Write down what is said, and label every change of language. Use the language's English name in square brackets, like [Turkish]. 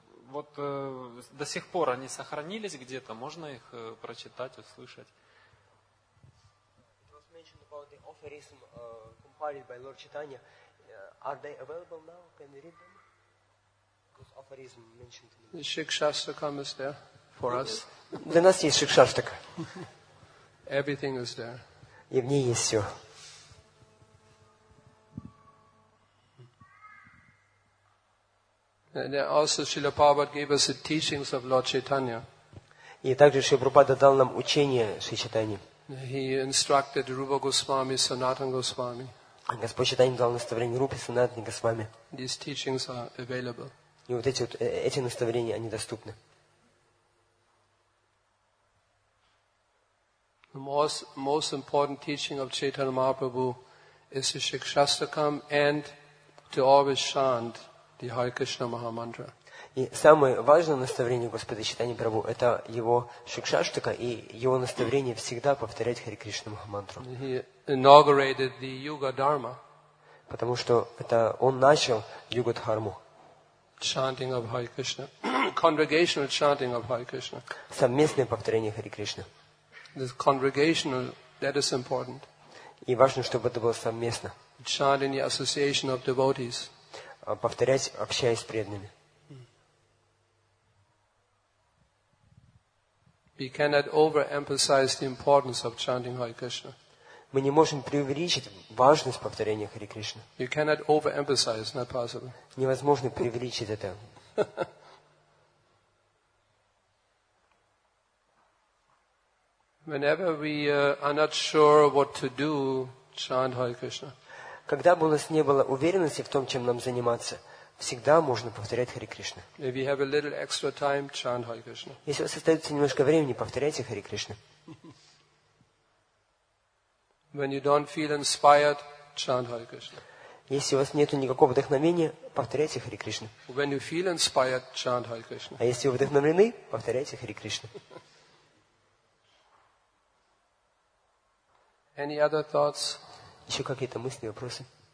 [Russian] Вот до сих пор они сохранились где-то, можно их прочитать, услышать. [English] It was mentioned about the aphorism compiled by Lord Chaitanya. Are they available now? Can we read them? Because aphorism mentioned. The Shikshastaka is there for us. [Russian] Для нас есть Шикшаштака. [English] Everything is there. [Russian] И в ней есть все. [English] And also Srila Prabhupada gave us the teachings of Lord Chaitanya. [Russian] И также Шрила Прабхупада дал нам учение Шри Чайтани. [English] He instructed Rupa Goswami, Sanatan Goswami. [Russian] Господь Чайтани дал наставление Рупе, Санатане Госвами. [English] These teachings are available. [Russian] И вот эти наставления, они доступны. [English] The most important teaching of Chaitanya Mahaprabhu is the Shikshastakam and to always chant the Hare Krishna Maha Mantra. [Russian] И самое важное наставление Господа Чайтани Прабху – это его Шикшаштака и его наставление всегда повторять Хари Кришна Маха Мантру. [English] He inaugurated the Yuga Dharma. [Russian] Потому что это он начал Юга Дхарму. [English] Chanting of Hare Krishna. Congregational chanting of Hare Krishna. [Russian] Совместное повторение Хари Кришны. [English] This congregational, that is important. [Russian] И важно, чтобы это было совместно. [English] Chanting the association of devotees. [Russian] Повторять, общаясь с преданными. [English] We cannot overemphasize the importance of chanting Hare Krishna. [Russian] Мы не можем преувеличить важность повторения Хари Кришны. [English] You cannot overemphasize, not possible. [Russian] Невозможно преувеличить это. [English] Whenever we are not sure what to do, chant Hare Krishna. [Russian] Когда бы у нас не было уверенности в том, чем нам заниматься, всегда можно повторять Хари Кришна. [English] If you have a little extra time, chant Hare Krishna. [Russian] Если у вас остается немножко времени, повторяйте Хари Кришна. [English] When you don't feel inspired, chant Hare Krishna. [Russian] Если у вас нет никакого вдохновения, повторяйте Хари Кришна. [English] When you feel inspired, chant Hare Krishna. [Russian] А если вы вдохновлены, повторяйте Хари Кришна. [English] Any other thoughts? [Russian] Еще какие-то мысли, вопросы?